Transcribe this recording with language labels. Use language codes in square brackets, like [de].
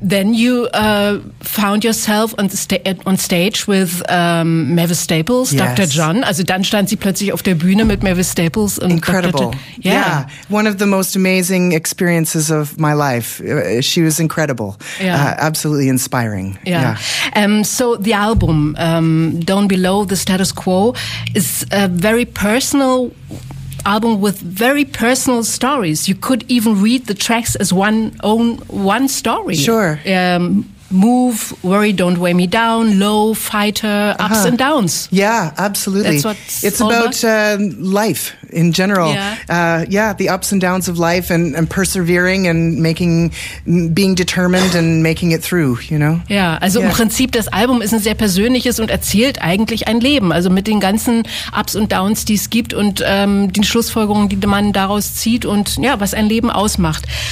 [en] Then you found yourself on stage with Mavis Staples, Dr. John. [de] Also dann stand sie plötzlich auf der Bühne mit Mavis Staples. Und [en] incredible. One of the most amazing experiences of my life. She was incredible. Absolutely inspiring. So the album Down Below the Status Quo is a very personal album with very personal stories. You could even read the tracks as one story. Sure. Move, Worry, Don't Weigh Me Down, Low, Fighter, Ups and Downs. Yeah, absolutely. It's about life in general. Yeah, the ups and downs of life and persevering and being determined and making it through, you know? [de] Ja, also im Prinzip, das Album ist ein sehr persönliches und erzählt eigentlich ein Leben. Also mit den ganzen Ups und Downs, die es gibt und den Schlussfolgerungen, die man daraus zieht und ja, was ein Leben ausmacht.